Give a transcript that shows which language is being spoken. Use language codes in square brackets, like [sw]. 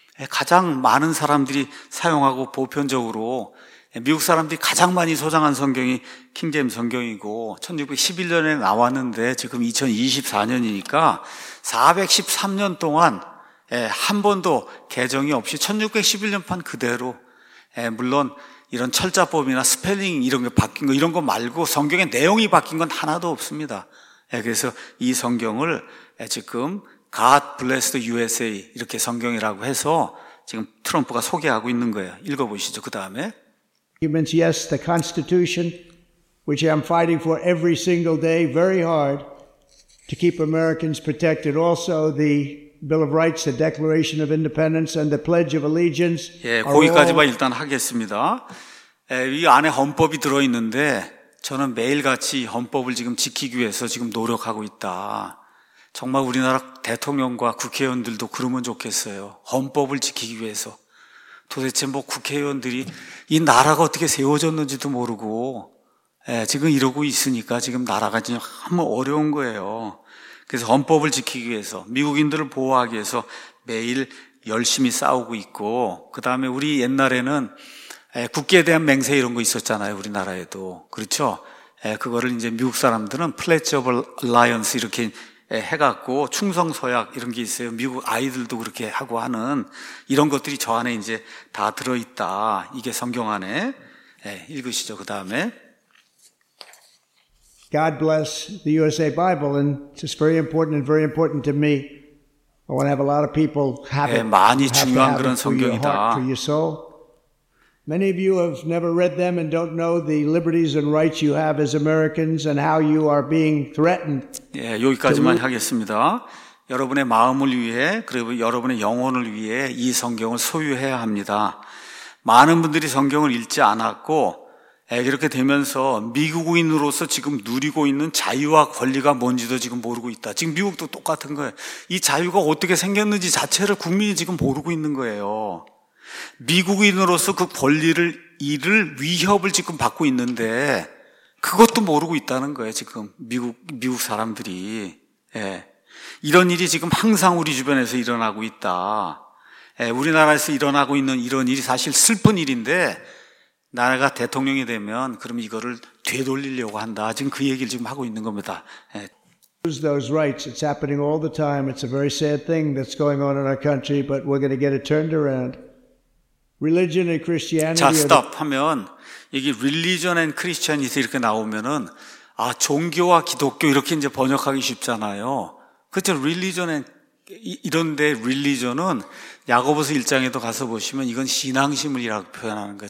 [ko] 가장 많은 사람들이 사용하고 보편적으로 미국 사람들이 가장 많이 소장한 성경이 킹제임 성경이고, 1611년에 나왔는데 지금 2024년이니까 413년 동안 한 번도 개정이 없이 1611년판 그대로, 물론 이런 철자법이나 스펠링 이런 게 바뀐 거 이런 거 말고 성경의 내용이 바뀐 건 하나도 없습니다. 그래서 이 성경을 지금 [en] God bless the USA [ko] 이렇게 성경이라고 해서 지금 트럼프가 소개하고 있는 거예요. 읽어보시죠. 그 다음에 [en] Humans, yes, the Constitution, which I'm fighting for every single day very hard to keep Americans protected. Also the Bill of Rights, the Declaration of Independence, and the Pledge of Allegiance. [ko] 예, 거기까지만 일단 하겠습니다. 예, 이 안에 헌법이 들어 있는데 저는 매일같이 헌법을 지금 지키기 위해서 지금 노력하고 있다. 정말 우리나라 대통령과 국회의원들도 그러면 좋겠어요. 헌법을 지키기 위해서. 도대체 뭐 국회의원들이 이 나라가 어떻게 세워졌는지도 모르고 예, 지금 이러고 있으니까 지금 나라가 지금 어려운 거예요. 그래서 헌법을 지키기 위해서 미국인들을 보호하기 위해서 매일 열심히 싸우고 있고 그다음에 우리 옛날에는 국기에 대한 맹세 이런 거 있었잖아요. 우리나라에도. 그렇죠? 그거를 이제 미국 사람들은 Pledge of Alliance 이렇게 해갖고 충성서약 이런 게 있어요. 미국 아이들도 그렇게 하고 하는 이런 것들이 저 안에 이제 다 들어있다. 이게 성경 안에 읽으시죠. 그 다음에 [en] God bless the USA Bible and it's very important and very important to me. I want to have a lot of people have it. [ko] 많이 중요한 그런 성경이다. [en] Many of you have never read them and don't know the liberties and rights you have as Americans and how you are being threatened. [ko] 예, 여기까지만 하겠습니다. 여러분의 마음을 위해 그리고 여러분의 영혼을 위해 이 성경을 소유해야 합니다. 많은 분들이 성경을 읽지 않았고 이렇게 되면서 미국인으로서 지금 누리고 있는 자유와 권리가 뭔지도 지금 모르고 있다. 지금 미국도 똑같은 거예요. 이 자유가 어떻게 생겼는지 자체를 국민이 지금 모르고 있는 거예요. 미국인으로서 그 권리를 잃을 위협을 지금 받고 있는데 그것도 모르고 있다는 거예요. 지금 미국 사람들이 예. 이런 일이 지금 항상 우리 주변에서 일어나고 있다. 예. 우리나라에서 일어나고 있는 이런 일이 사실 슬픈 일인데 나라가 대통령이 되면 그럼 이거를 되돌리려고 한다. 지금 그 얘기를 지금 하고 있는 겁니다. 예. [en] Those rights. It's happening all the time. It's a very sad thing that's going on in our country, but we're going to get it turned around. Religion and Christianity. [ko] 자, stop 하면 이게 [en] religion and Christianity [ko] 이렇게 나오면은 아 종교와 기독교 이렇게 이제 번역하기 쉽잖아요. 그렇죠? [en] Religion and [ko] 이런데 religion은 야고보서 1장에도 가서 보시면 이건 신앙심을이라고 표현하는 거예요.